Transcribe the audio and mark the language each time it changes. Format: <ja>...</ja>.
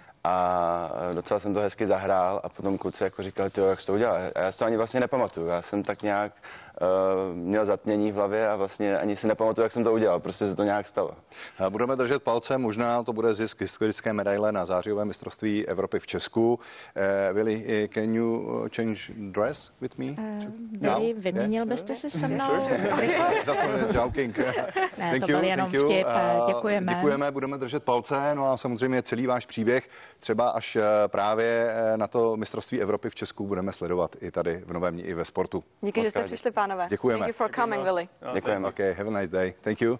<cs>A docela jsem to hezky zahrál a potom kluci jako říkali, tyjo, jak jsi to udělal. A já si to ani vlastně nepamatuju. Já jsem tak nějak měl zatmění v hlavě a vlastně ani si nepamatuju, jak jsem to udělal. Prostě se to nějak stalo. A budeme držet palce, možná to bude zisk historické medaile na zářijové mistrovství Evropy v Česku.</cs> <en>Willy, can you change dress with me?</en> <cs>Willy, vyměnil byste se se mnou?</cs> <en>Joking. Thank you, thank you.</en> <cs>Děkujeme. Děkujeme, budeme držet palce. No a samozřejmě celý váš příběh třeba až právě na to mistrovství Evropy v Česku budeme sledovat i tady v Novém i ve sportu. Díky, že jste přišli, pánové. Děkujeme.</cs> <en>Thank you for coming, Willy.</en> <cs>Děkujeme.</cs> <en>Okay, have a nice day. Thank you.</en>